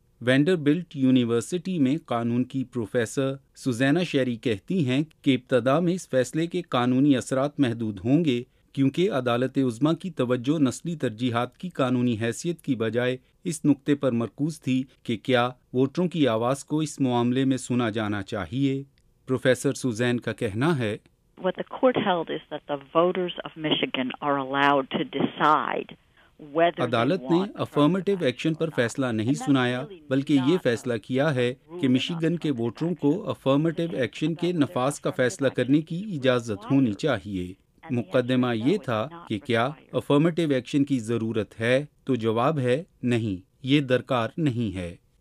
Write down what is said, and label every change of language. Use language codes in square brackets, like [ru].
[ur] Vanderbilt university میں قانون کی پروفیسر سوزینا شیری کہتی ہیں کہ ابتدا میں اس فیصلے کے قانونی اثرات محدود ہوں گے کیونکہ عدالت عظمیٰ کی توجہ نسلی ترجیحات کی قانونی حیثیت کی بجائے اس نقطے پر مرکوز تھی کہ کیا ووٹروں کی آواز کو اس معاملے میں سنا جانا چاہیے۔ پروفیسر سوزین کا کہنا ہے، [en] What the court held is that the voters of Michigan are allowed to decide whether [ur] عدالت نے افرمیٹیو ایکشن پر فیصلہ نہیں سنایا بلکہ یہ فیصلہ کیا ہے کہ مشیگن کے ووٹروں کو افرمیٹیو ایکشن کے نفاذ کا فیصلہ کرنے کی اجازت ہونی چاہیے۔ مقدمہ یہ تھا کہ کیا افرمیٹیو ایکشن کی ضرورت ہے، تو جواب ہے نہیں، یہ درکار نہیں ہے۔